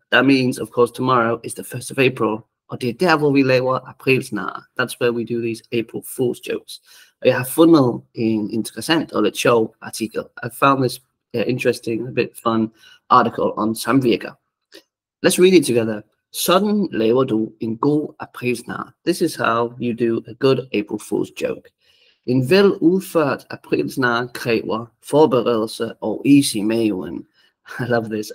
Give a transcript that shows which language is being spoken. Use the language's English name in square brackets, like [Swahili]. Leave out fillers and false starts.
[English] That means, of course, tomorrow is the 1st of April. [Danish] Og det er der, hvor vi laver aprilsnar. [English] That's where we do these April Fool's jokes. [Danish] Og jeg har fundet en interessant og lidt sjov artikel. [English] I found this interesting, a bit fun article on samvirker. Let's read it together. [Danish] Sådan laver du en god aprilsnar. [English] This is how you do a good April Fool's joke. [Danish] En vel udført aprilsnar kræver forberedelse og is i maven. [English] I love this.